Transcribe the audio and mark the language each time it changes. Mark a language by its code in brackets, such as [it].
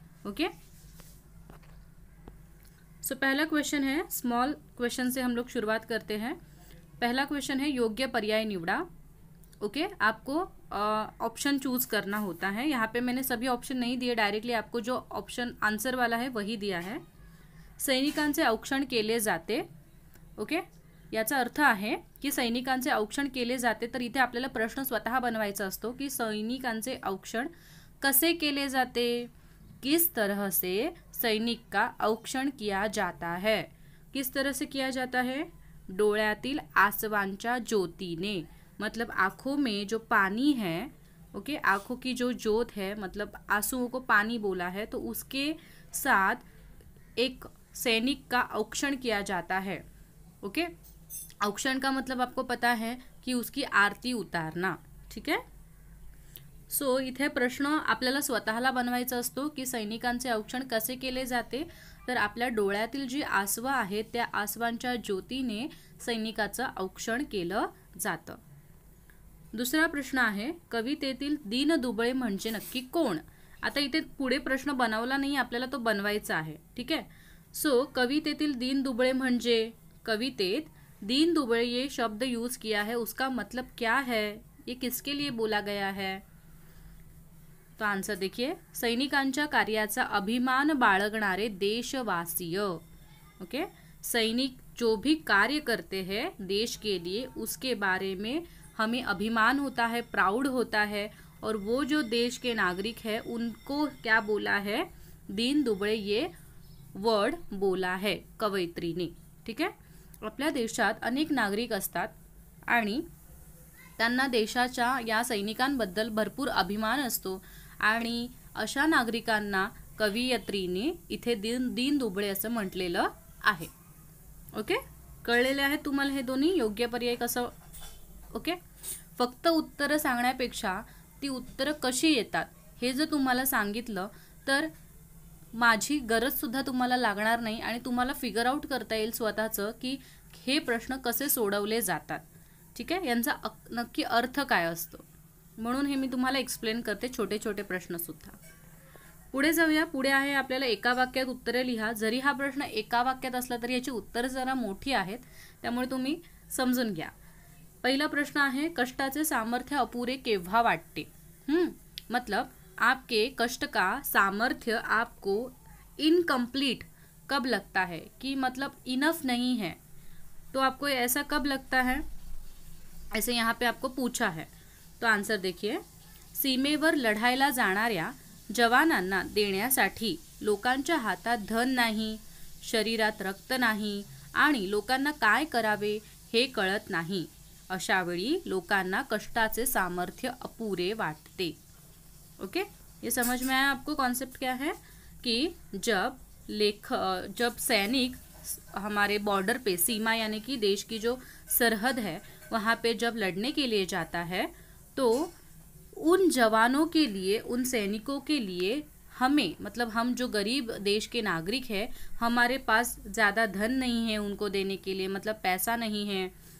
[hi] Okay, सो पहला question है, small question से हम लोग शुरुआत करते हैं. पहला क्वेश्चन है [mr] योग्य पर्याय निवड़ा. [hi] ओके, आपको ऑप्शन चूज करना होता है. यहाँ पे मैंने सभी ऑप्शन नहीं दिए डायरेक्टली, आपको जो ऑप्शन आंसर वाला है वही दिया है. [mr] सैनिकांचे औक्षण केले जाते. ओके, याचा अर्थ आहे की सैनिकांचे औक्षण केले जाते, तर इथे आपल्याला प्रश्न स्वतः बनवायचा असतो की सैनिकांचे औक्षण कसे केले जाते, [hi] किस तरह से सैनिक का औक्षण किया जाता है. किस तरह से किया जाता है, [mr] डोळ्यातील आसवांच्या ज्योतीने, [hi] मतलब आँखों में जो पानी है. ओके, आँखों की जो ज्योत है, मतलब आंसुओं को पानी बोला है, तो उसके साथ एक सैनिक का औक्षण किया जाता है. ओके, औक्षण का मतलब आपको पता है कि उसकी आरती उतारना. ठीक है, [mr] सो इथे प्रश्न आपल्याला स्वतःला बनवायचा असतो की सैनिकांचे औक्षण कसे केले जाते, तर आपल्या डोळ्यातील जी आसव आहे त्या आसवांच्या ज्योतीने सैनिकाचं औक्षण केलं जातं. दुसरा प्रश्न आहे, कवितेतील दीन दुबळे म्हणजे नक्की कोण. आता इथे पुढे प्रश्न बनवला नाही, आपल्याला तो बनवायचा आहे. ठीक आहे, सो कवितेतील दीन दुबळे म्हणजे, [hi] कवितेत दीन दुबळे ये शब्द यूज किया है उसका मतलब क्या है, ये किसके लिए बोला गया है. तो आंसर देखिए, [mr] सैनिकांच्या कार्याचा अभिमान बाळगणारे देशवासीय. [hi] ओके, सैनिक जो भी कार्य करते हैं देश के लिए उसके बारे में हमें अभिमान होता है, प्राउड होता है, और वो जो देश के नागरिक है उनको क्या बोला है, दीन दुबळे ये वर्ड बोला है कवयित्री ने. [mr] ठीक है, आपल्या देशात अनेक नागरिक असतात आणि त्यांना देशाच्या या सैनिकांबद्दल भरपूर अभिमान असतो, आणि अशा नागरिकांना कवयित्रीने इथे दीन दुबळे असं म्हटलेलं आहे. ओके, कळलेले आहे तुम्हाला हे दोन्ही योग्य पर्याय कसं. ओके, फक्त उत्तरं सांगण्यापेक्षा ती उत्तरं कशी येतात हे जर तुम्हाला सांगितलं तर माझी गरजसुद्धा तुम्हाला लागणार नाही, आणि तुम्हाला फिगर आउट करता येईल स्वतःचं की हे प्रश्न कसे सोडवले जातात. ठीक आहे, यांचा नक्की अर्थ काय असतो, म्हणून हे मी तुम्हाला एक्सप्लेन करते छोटे छोटे प्रश्नसुद्धा. पुढे जाऊया, पुढे आहे आपल्याला एका वाक्यात उत्तरे लिहा. जरी हा प्रश्न एका वाक्यात असला तरी याची उत्तरं जरा मोठी आहेत, त्यामुळे तुम्ही समजून घ्या. पहिला प्रश्न आहे, कष्टाचे सामर्थ्य अपुरे केव्हा वाटते. [hi] मतलब आपके कष्ट का सामर्थ्य आपको इनकम्प्लीट कब लगता है, कि मतलब इनफ नहीं है, तो आपको ऐसा कब लगता है, ऐसे यहाँ पे आपको पूछा है. तो आंसर देखिए, [mr] सीमेवर लढायला जाणाऱ्या जवानांना देण्यासाठी लोकांच्या हातात धन नाही, शरीरात रक्त नाही, आणि लोकांना काय करावे हे कळत नाही, अशावेळी लोकांना कष्टाचे सामर्थ्य अपुरे वाटते. [hi] ओके, ये समझ में आया आपको कॉन्सेप्ट क्या है, कि जब सैनिक हमारे बॉर्डर पे, सीमा यानी कि देश की जो सरहद है, वहाँ पे जब लड़ने के लिए जाता है, तो उन जवानों के लिए, उन सैनिकों के लिए, हमें मतलब हम जो गरीब देश के नागरिक है, हमारे पास ज़्यादा धन नहीं है उनको देने के लिए, मतलब पैसा नहीं है,